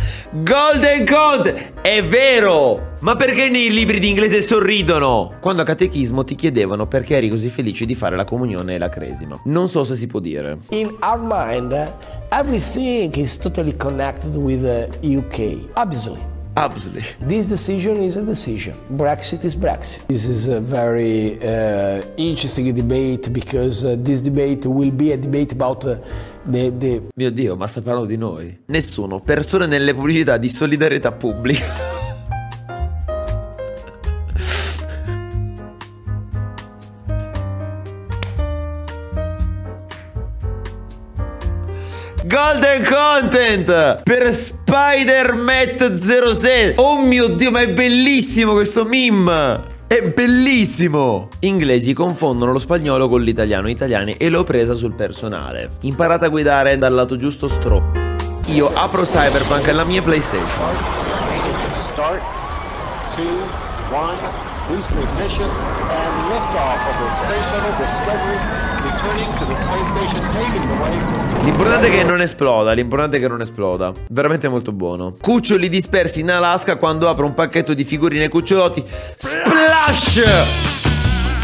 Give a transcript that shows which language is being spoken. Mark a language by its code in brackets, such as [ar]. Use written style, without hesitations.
[it] Golden Code! È vero! Ma perché nei libri di inglese sorridono? Quando a catechismo ti chiedevano perché eri così felice di fare la comunione e la cresima. Non so se si può dire. [en] In our mind, everything is totally connected with the UK. Obviously. Obviously. This decision is a decision. Brexit is Brexit. This is a very interesting debate because this debate will be a debate about the... [it] Mio Dio, ma sta parlando di noi? Nessuno. Persone nelle pubblicità di solidarietà pubblica. Golden content per Spider-Matt 06. Oh mio Dio, ma è bellissimo questo meme. È bellissimo. Inglesi confondono lo spagnolo con l'italiano. Italiani e l'ho presa sul personale. Imparate a guidare dal lato giusto, stro. Io apro Cyberpunk alla mia PlayStation. [en] Start 2, 1, boost to ignition and lift off of the space shuttle Discovery returning to the space station paving the way. [it] L'importante è che non esploda, l'importante è che non esploda. Veramente molto buono. Cuccioli dispersi in Alaska quando apro un pacchetto di figurine cucciolotti. Splash!